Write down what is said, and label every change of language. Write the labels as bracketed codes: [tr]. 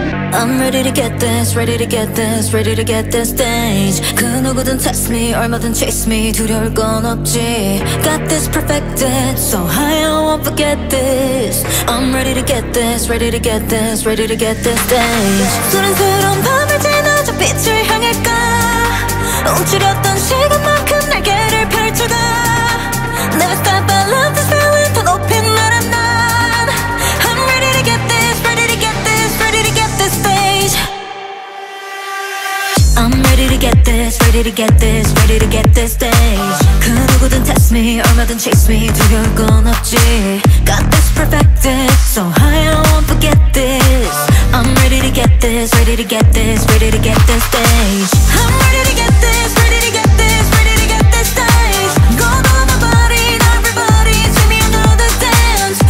[en] I'm ready to get this, ready to get this, ready to get this stage. [ko] 그 누구든 [en] test me, [ko] 얼마든 [en] chase me, [ko] 두려울 건 없지. [en] Got this perfected, so I won't forget this. I'm ready to get this, ready to get this, ready to get this stage. [ko] 소란스러운 밤을 지나 저 빛을 향할까. 움츠렸던 시간만큼 날개를 펼쳐가. [en] Never stop, I love this feeling. [ko] 더 높이 말한 난 [en] I'm ready to get this, ready to get this, ready to get this stage. I'm ready to get this, ready to get this, ready to get this stage. [ko] 그 누구든 [en] test me, [ko] 얼마든 [en] chase me, [ko] 두려울 건 없지. [en] Got this perfected, so I won't forget this. I'm ready to get this, ready to get this, ready to get this stage. I'm ready to get this, ready to get this, ready to get this stage. Go to my body, now everybody, see me under the dance.